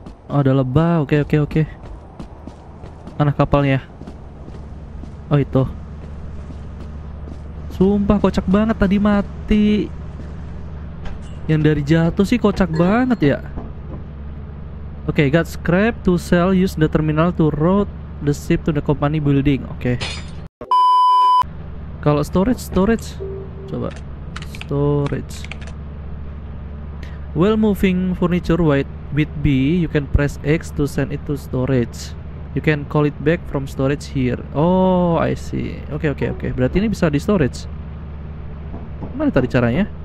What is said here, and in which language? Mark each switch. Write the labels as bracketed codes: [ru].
[id] Oh, ada lebah. Oke. Mana kapalnya? Oh, itu. Sumpah kocak banget tadi mati. Yang dari jatuh sih kocak banget ya. [en] Oke, okay, got scrap to sell, use the terminal to road the ship to the company building. [id] Oke. Okay. Kalau storage. Coba storage. [en] While moving furniture with B, you can press X to send it to storage. You can call it back from storage here. Oh, I see. [id] Oke. Berarti ini bisa di storage. Mana tadi caranya?